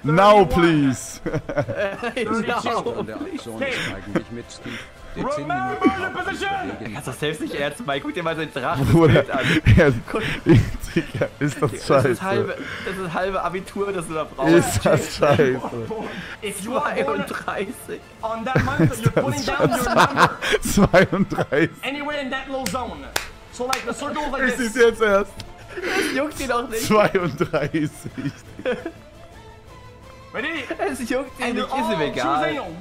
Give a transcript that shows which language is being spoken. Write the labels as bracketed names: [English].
[English] Now, please. [German] Kannst du das selbst nicht ernst, Mike? Guck dir mal sein Drachenbild an. Ist das scheiße? Das ist halbe Abitur, das du da brauchst. Ist das scheiße? 32. [English] On that month, you're putting down your number. 32. Anywhere in that low zone. So like the circle of [German] this. Ich seh's jetzt erst. Das juckt ihn auch nicht. 32. [English] Ready? [German] Es juckt ihn nicht, ist ihm egal.